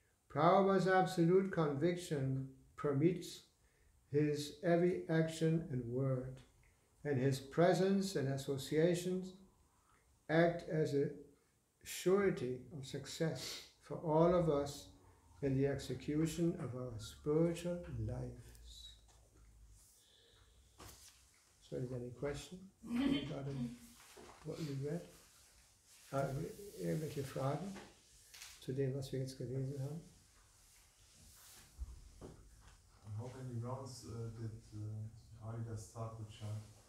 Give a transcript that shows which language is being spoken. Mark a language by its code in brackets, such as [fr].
[en] Prabhupada's absolute conviction permeates his every action and word, and his presence and associations act as a surety of success for all of us and the execution of our spiritual lives. So, is there any question regarding what you read? [de] Irgendwelche Fragen zu dem, was wir jetzt gelesen haben? [en] On how many grounds did Adidas start with Chant?